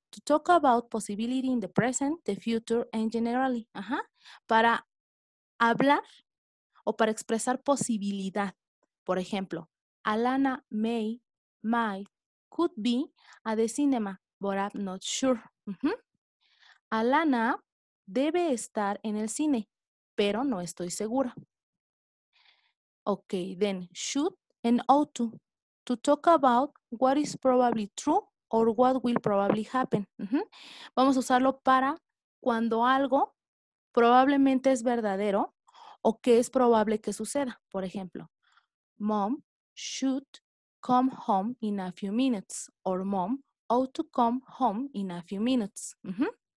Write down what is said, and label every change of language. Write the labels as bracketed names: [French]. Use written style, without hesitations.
[English] To talk about possibility in the present, the future, and generally. Ajá. [Spanish] Para hablar o para expresar posibilidad. Por ejemplo, [English] Alana may, might, could be at the cinema, but I'm not sure. Uh-huh. [Spanish] Alana debe estar en el cine, pero no estoy segura. [English] Okay, then should and ought to talk about what is probably true or what will probably happen. Uh-huh. [Spanish] Vamos a usarlo para cuando algo probablemente es verdadero o que es probable que suceda. Por ejemplo, [English] mom should come home in a few minutes, or mom ought to come home in a few minutes. Uh-huh.